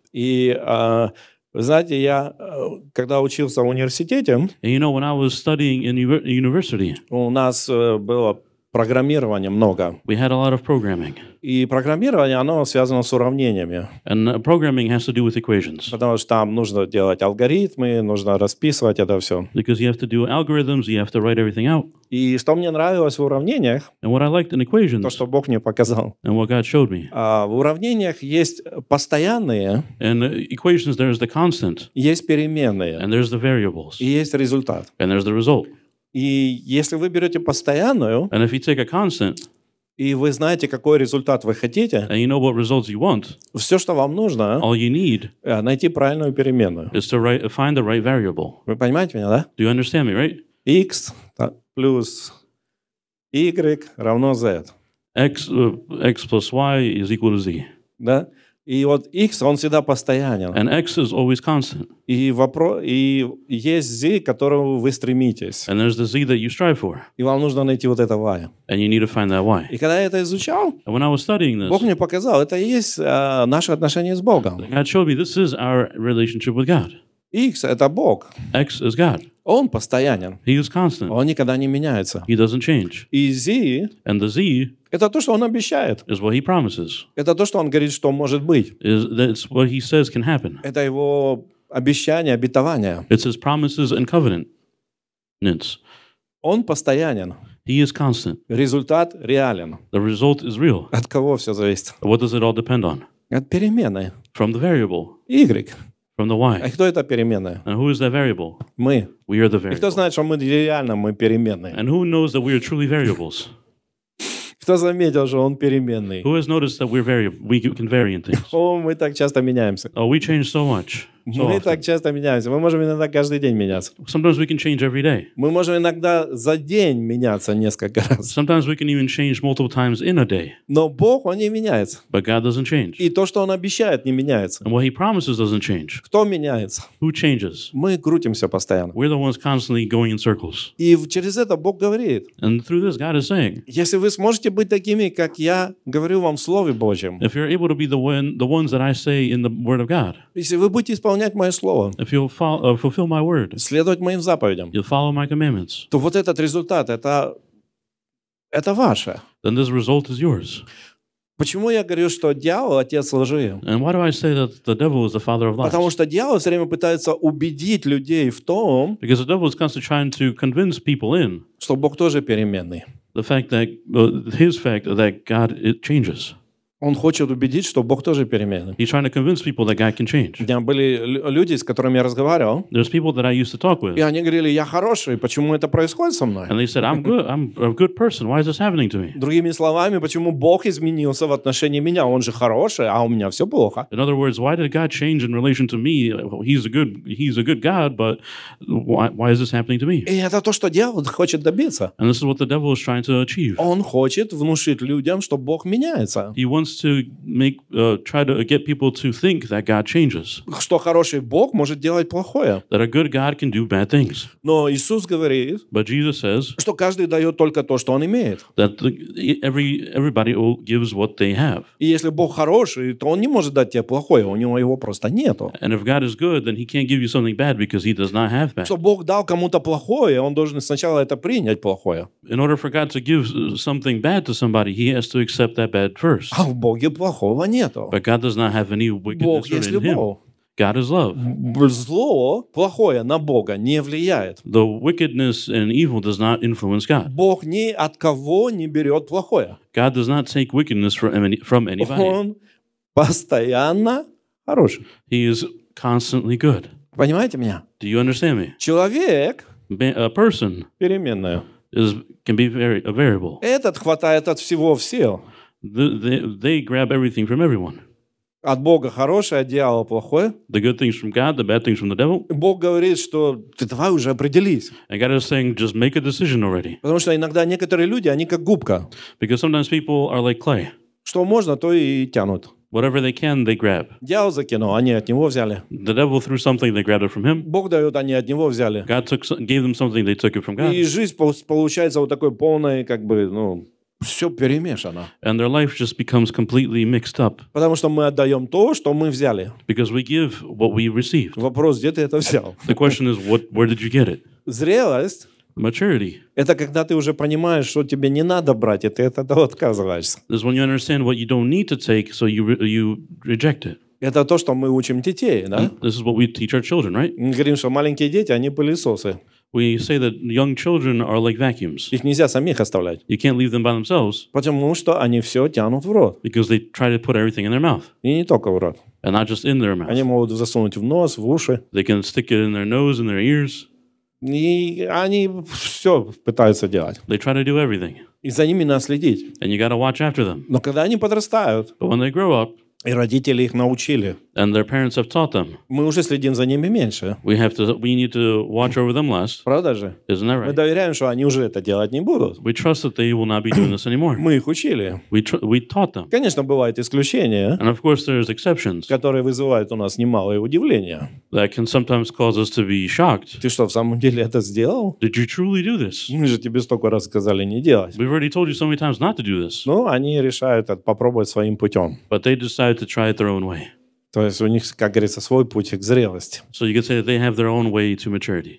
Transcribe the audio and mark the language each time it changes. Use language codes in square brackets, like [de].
[ru] И, вы знаете, я, когда учился в университете, [en] and you know, when I was studying in university, [ru] у нас было программирование много. [en] We had a lot of programming. [ru] И программирование, оно связано с уравнениями. [en] And programming has to do with equations. [ru] Потому что там нужно делать алгоритмы, нужно расписывать это все. [en] Because you have to do algorithms, you have to write everything out. [ru] И что мне нравилось в уравнениях, [en] and what I liked in equations, [ru] то, что Бог мне показал, [en] and what God showed me. [ru] В уравнениях есть постоянные, [en] in equations, there is the constant, [ru] есть переменные, [en] and there's the variables, [ru] и есть результат. [en] And there's the result. [ru] И если вы берете постоянную, [en] and if you take a constant, [ru] и вы знаете, какой результат вы хотите, [en] and you know what results you want, [ru] все, что вам нужно, [en] all you need, [ru] найти правильную переменную. [en] Is to write, find the right variable. [ru] Вы понимаете меня, да? [en] Do you understand me, right? [ru] X плюс Y равно Z. [en] X plus Y is equal to Z. [ru] Да? И вот X, он всегда постоянен. [en] And X is always constant. [ru] И есть Z, к которому вы стремитесь. [en] And there's the Z that you strive for. [ru] И вам нужно найти вот это Y. [en] And you need to find that Y. [ru] И когда я это изучал, [en] and when I was studying this, [ru] Бог мне показал, это и есть наше отношение с Богом. [en] God showed me, this is our relationship with God. [ru] X – это Бог. [en] X is God. [ru] Он постоянен. [en] He is constant. [ru] Он никогда не меняется. [en] He doesn't change. [ru] И Z – [en] And the Z – [ru] это то, что Он обещает. [en] Is what He promises. [ru] Это то, что Он говорит, что может быть. [en] Is, that's what He says can happen. [ru] Это Его обещание, обетование. [en] It's His promises and covenants. [ru] Он постоянен. [en] He is constant. [ru] Результат реален. [en] The result is real. [ru] От кого все зависит? [en] What does it all depend on? [ru] От перемены. [en] From the variable. [ru] Y. [en] From the Y. [ru] А кто это переменная? [en] And who is that variable? [ru] Мы. [en] We are the variable. [ru] И кто знает, что мы реально мы переменные? [en] And who knows that we are truly variables? [ru] Кто заметил, что он переменный? [en] Who has noticed that we're we can vary in things? [ru] О, мы так часто меняемся. [en] Oh, we change so much. So [ru] мы [en] often. [ru] Так часто меняемся. Мы можем иногда каждый день меняться. [en] Sometimes we can change every day. [ru] Мы можем иногда за день меняться несколько раз. [en] Sometimes we can even change multiple times in a day. [ru] Но Бог, Он не меняется. [en] But God doesn't change. [ru] И то, что Он обещает, не меняется. [en] And what He promises doesn't change. [ru] Кто меняется? [en] Who changes? [ru] Мы крутимся постоянно. [en] We're the ones constantly going in circles. [ru] И через это Бог говорит. [en] And through this, God is saying. [ru] Если вы сможете быть такими, как я говорю вам в Слове Божьем. [en] If you're able to be the ones that I say in the Word of God. [ru] Если вы будете исполнять мое слово, [en] if you'll fulfill my word, [ru] следовать моим заповедям, [en] you'll follow my commandments, [ru] то вот этот результат, это ваше. [en] Then this result is yours. [ru] Почему я говорю, что дьявол отец лжи? [en] And why do I say that the devil is the father of lies? [ru] Потому что дьявол все время пытается убедить людей в том, [en] because the devil is constantly trying to convince people in, [ru] что Бог тоже переменный. [en] The fact that his fact that God it changes. [ru] Он хочет убедить, что Бог тоже переменный. [en] He's trying to convince people that God can change. [ru] У меня были люди, с которыми я разговаривал. [en] There's people that I used to talk with. [ru] И они говорили, я хороший, почему это происходит со мной? [en] And they said, I'm good, I'm a good person. Why is this happening to me? [ru] Другими словами, почему Бог изменился в отношении меня? Он же хороший, а у меня все плохо. [en] In other words, why did God change in relation to me? He's a good God, but why is this happening to me? [ru] И это то, что дьявол хочет добиться. [en] And this is what the devil is trying to achieve. [ru] Он хочет внушить людям, что Бог меняется. [en] To make try to get people to think that God changes. [ru] Что хороший Бог может делать плохое. [en] That a good God can do bad things. [ru] Но Иисус говорит, [en] but Jesus says, [ru] что каждый дает только то, что он имеет. [en] That everybody gives what they have. [ru] И если Бог хороший, то он не может дать тебе плохое, у него его просто нету. [en] And if God is good, then he can't give you something bad because he does not have bad. [ru] Что Бог дал кому-то плохое, он должен сначала это принять плохое. [en] In order for God to give something bad to somebody, he has to accept that bad first. [ru] А в Боге плохого нету. [en] But God does not have any wickedness [ru] Бог есть [en] in [ru] любовь. [en] Him. God is love. [ru] Зло плохое на Бога не влияет. [en] The wickedness and evil does not influence God. [ru] Бог ни от кого не берет плохое. [en] God does not take wickedness from anybody. [ru] Он постоянно хороший. [en] He is constantly good. [ru] Понимаете меня? [en] Do you understand me? [ru] Человек [en] a person [ru] переменная. [en] Is, can be a variable. [ru] Этот хватает от всего в сил. [en] They grab everything from everyone. [ru] От Бога хорошее, от дьявола плохое. [en] The good things from God, the bad things from the devil. [ru] Бог говорит, что ты давай уже определись. [en] And God is saying, just make a decision already. [ru] Потому что иногда некоторые люди, они как губка. [en] Because sometimes people are like clay. [ru] Что можно, то и тянут. [en] Whatever they can, they grab. [ru] Дьявол закинул, они от него взяли. [en] The devil threw something, they grabbed it from him. [ru] Бог дает, они от него взяли. [en] God took, gave them something, they took it from God. [ru] И жизнь получается вот такой полной, как бы, ну... Все перемешано. [en] And their life just becomes completely mixed up. [ru] Потому что мы отдаем то, что мы взяли. [en] Because we give what we received. [ru] Вопрос, где ты это взял? [en] The question is, where did you get it? [ru] Зрелость. [en] Maturity. [ru] Это когда ты уже понимаешь, что тебе не надо брать, и ты от этого отказываешься. [en] This is when you understand what you don't need to take, so you reject it. [ru] Это то, что мы учим детей, да? [en] And this is what we teach our children, right? [ru] Мы говорим, что маленькие дети, они пылесосы. [en] We say that young children are like vacuums. [ru] Их нельзя самих оставлять. [en] You can't leave them by themselves. [ru] Потому что они все тянут в рот. [en] Because they try to put everything in their mouth. [ru] И не только в рот. [en] And not just in their mouth. [ru] Они могут засунуть в нос, в уши. [en] They can stick it in their nose, in their ears. [ru] И они все пытаются делать. [en] They try to do everything. [ru] И за ними надо следить. [en] And you gotta watch after them. [ru] Но когда они подрастают. [en] But when they grow up. [ru] И родители их научили. [en] And their parents have taught them. [ru] Мы уже следим за ними меньше. [en] We need to watch over them less. [ru] Правда же? [en] Isn't that right? [ru] Мы доверяем, что они уже это делать не будут. [en] We trust that they will not be doing this anymore. [ru] Мы их учили. [en] We taught them. [ru] Конечно, бывают исключения. [en] And of course, there's exceptions. [ru] Которые вызывают у нас немалое удивление. [en] That can sometimes cause us to be shocked. [ru] Ты что, в самом деле это сделал? [en] Did you truly do this? [ru] Мы же тебе столько раз сказали не делать. [en] We've already told you so many times not to do this. [ru] Ну, они решают попробовать своим путем. [en] But they decide to try it their own way. [ru] То есть у них, как говорится, свой путь к зрелости. [en] So you could say that they have their own way to maturity.